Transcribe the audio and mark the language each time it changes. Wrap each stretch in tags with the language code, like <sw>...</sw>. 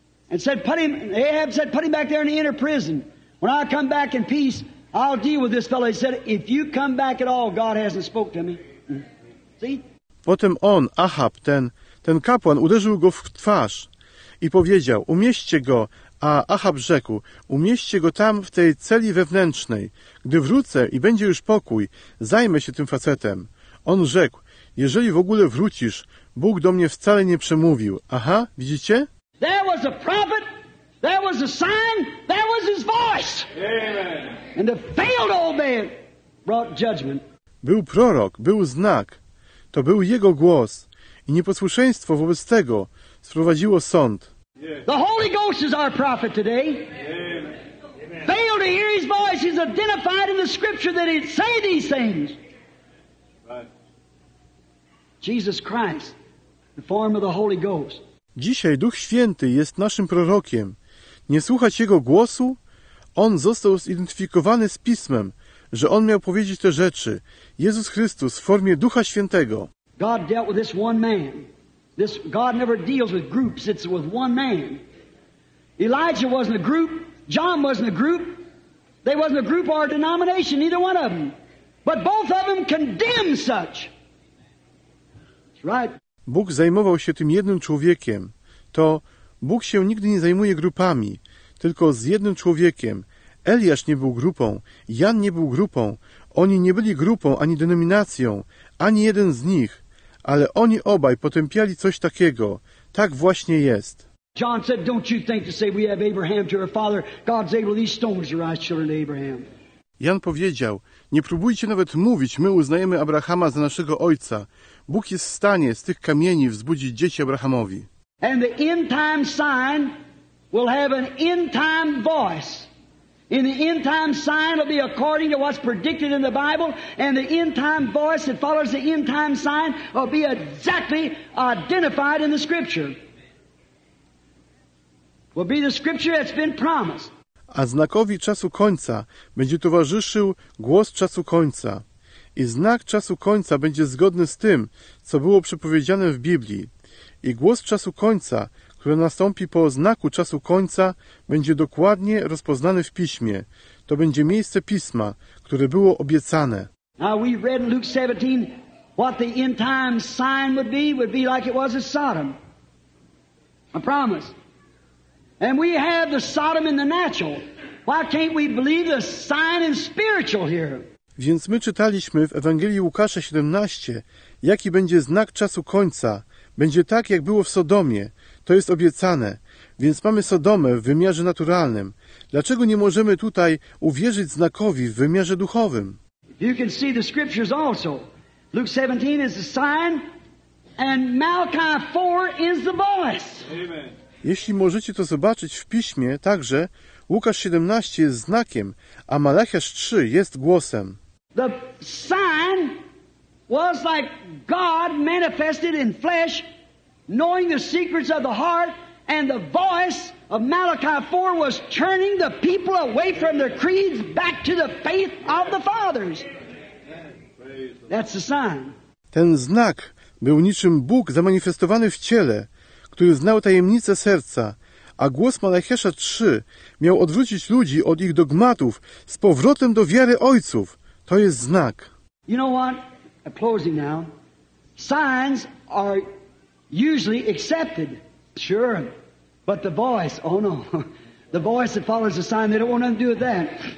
<en>And said, Ahab said, put him back there in the inner prison. When I come back in peace, I'll deal with this fellow. He said, if you come back at all, God hasn't spoke to me. See?</en> <pl>Potem on, Ahab, ten kapłan, uderzył go w twarz i powiedział, umieśćcie go, a Ahab rzekł, umieśćcie go tam w tej celi wewnętrznej. Gdy wrócę i będzie już pokój, zajmę się tym facetem. On rzekł, jeżeli w ogóle wrócisz, Bóg do mnie wcale nie przemówił. Aha, widzicie?</pl> <en>There was a prophet, there was a sign, there was his voice. Amen. And the failed old man brought judgment.</en> <pl>Był prorok, był znak, to był jego głos i nieposłuszeństwo wobec tego sprowadziło sąd.</pl> <en>The Holy Ghost is our prophet today. Amen. Failed to hear his voice, he's identified in the scripture that he'd say these things. Right. Jesus Christ, the form of the Holy Ghost.</en> <pl>Dzisiaj Duch Święty jest naszym prorokiem. Nie słuchać Jego głosu? On został zidentyfikowany z Pismem, że On miał powiedzieć te rzeczy. Jezus Chrystus w formie Ducha Świętego.</pl> <en>God dealt with this one man. This God never deals with groups, it's with one man. Elijah wasn't a group, John wasn't a group. They wasn't a group or a denomination, neither one of them. But both of them condemned such. That's right.</en> <pl>Bóg zajmował się tym jednym człowiekiem. To Bóg się nigdy nie zajmuje grupami, tylko z jednym człowiekiem. Eliasz nie był grupą, Jan nie był grupą, oni nie byli grupą ani denominacją, ani jeden z nich, ale oni obaj potępiali coś takiego. Tak właśnie jest.</pl> <en>John said, don't you think to say we have Abraham to our father, God's able these stones to rise children of Abraham.</en> <pl>Jan powiedział, nie próbujcie nawet mówić, my uznajemy Abrahama za naszego ojca. Bóg jest w stanie z tych kamieni wzbudzić dzieci Abrahamowi.</pl> <en>And the end time sign will have an end time voice. In the end time sign will be according to what's predicted in the Bible. And the end time voice that follows the end time sign will be exactly identified in the scripture. Will be the scripture that's been promised.</en> <pl>A znakowi czasu końca będzie towarzyszył głos czasu końca. I znak czasu końca będzie zgodny z tym, co było przepowiedziane w Biblii. I głos czasu końca, który nastąpi po znaku czasu końca, będzie dokładnie rozpoznany w Piśmie. To będzie miejsce Pisma, które było obiecane.</pl> <en>Now we read in Luke 17 what the end time sign would be like it was in Sodom. A promise. And we have the Sodom in the natural. Why can't we believe the sign in spiritual here?</en> <pl>Więc my czytaliśmy w Ewangelii Łukasza 17, jaki będzie znak czasu końca. Będzie tak, jak było w Sodomie. To jest obiecane. Więc mamy Sodomę w wymiarze naturalnym. Dlaczego nie możemy tutaj uwierzyć znakowi w wymiarze duchowym?</pl> <en>You can see the scriptures also. Luke 17 is the sign and Malachi 4 is the voice. Amen.</en> <pl>Jeśli możecie to zobaczyć w piśmie, także Łukasz 17 jest znakiem, a Malachiasz 3 jest głosem.</pl> <en>The sign was like God manifested in flesh, knowing the secrets of the heart, and the voice of Malachi 4 was turning the people away from their creeds back to the faith of the fathers. That's the sign.</en> <pl>Ten znak był niczym Bóg zamanifestowany w ciele, który znał tajemnice serca, a głos Malachiasza 3 miał odwrócić ludzi od ich dogmatów z powrotem do wiary ojców. To jest znak.</pl> <en>You know what? I'm closing now. Signs are usually accepted. Sure. But the voice, oh no. The voice that follows the sign, they don't want nothing to do with that.</en>